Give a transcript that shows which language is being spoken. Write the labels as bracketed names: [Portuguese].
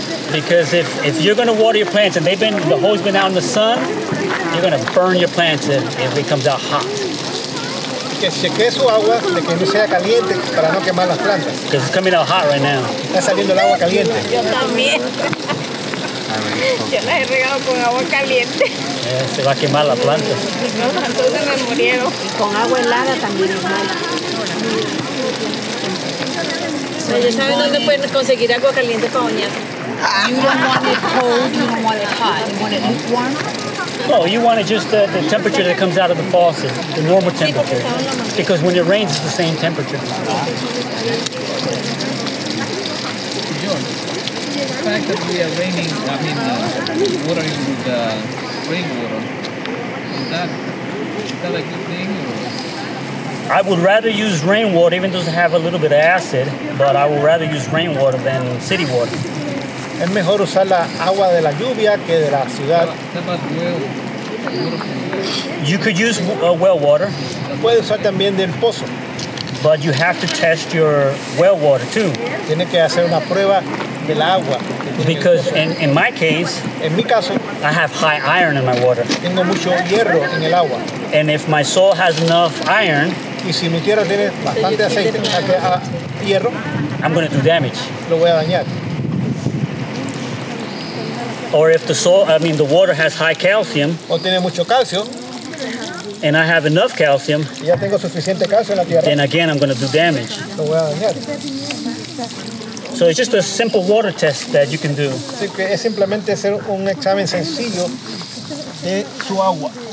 [English] Because if you're going to water your plants and the hose been out in the sun, you're going to burn your plants if it comes out hot. [Spanish] Que cheque su agua de que no sea caliente para no quemar las plantas. [English] Because it's coming out hot right now. [Spanish] Está saliendo el agua caliente. Yo también. Yo las he regado con agua caliente. Se va a quemar la planta. No, entonces me murieron. Y con agua helada también es mala. [English] So you [Spanish] saben dónde pueden conseguir agua caliente para bañarse. [English] You don't want it cold, you don't want it hot. You want it lukewarm. No, you want it just the temperature that comes out of the faucet, the normal temperature. Because when it rains, it's the same temperature. The fact that we are raining, I mean, watering with rainwater, is that a good thing? I would rather use rainwater, even though it have a little bit of acid, but I would rather use rainwater than city water. [Spanish] Es mejor usar la agua de la lluvia que de la ciudad. [English] You could use well water. [Spanish] Puede usar también del pozo. [English] But you have to test your well water too. [Spanish] Tiene que hacer una prueba. [English] Because in my case, [Spanish] en mi caso, [English] I have high iron in my water. [Spanish] Tengo mucho hierro en el agua. [English] And if my soil has enough iron, [Spanish] y si mi tierra tiene bastante aceite, hierro, [English] I'm going to do damage. [Spanish] Lo voy a dañar. [English] Or if the soil, I mean the water has high calcium, [Spanish] o tiene mucho calcio, [English] and I have enough calcium, [Spanish] ya tengo suficiente calcio en la tierra, [English] then again I'm going to do damage. [Spanish] Lo voy a dañar. [English] So it's just a simple water test that you can do. [Spanish] Sí, que es simplemente hacer un examen sencillo de su agua.